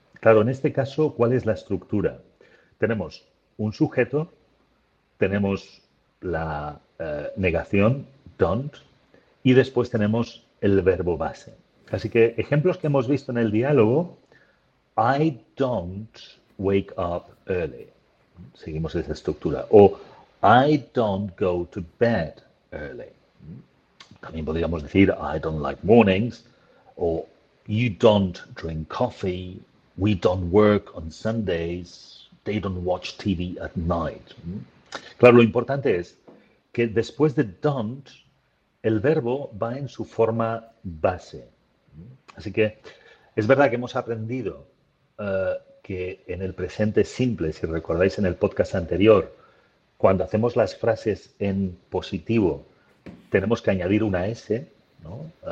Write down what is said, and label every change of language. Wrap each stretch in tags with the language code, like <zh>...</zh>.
<es>Claro, en este caso, ¿cuál es la estructura? Tenemos un sujeto, tenemos la negación, don't, y después tenemos el verbo base. Así que ejemplos que hemos visto en el diálogo,</es> <en>I don't wake up early.</en> <es>Seguimos esa estructura.</es> <en>O I don't go to bed early.</en> <es>También podríamos decir</es> <en>I don't like mornings o you don't drink coffee, we don't work on Sundays, they don't watch TV at night.</en> <es>Claro, lo importante es que después de don't, el verbo va en su forma base. Así que es verdad que hemos aprendido que en el presente simple, si recordáis en el podcast anterior, cuando hacemos las frases en positivo, tenemos que añadir una S, ¿no?</es>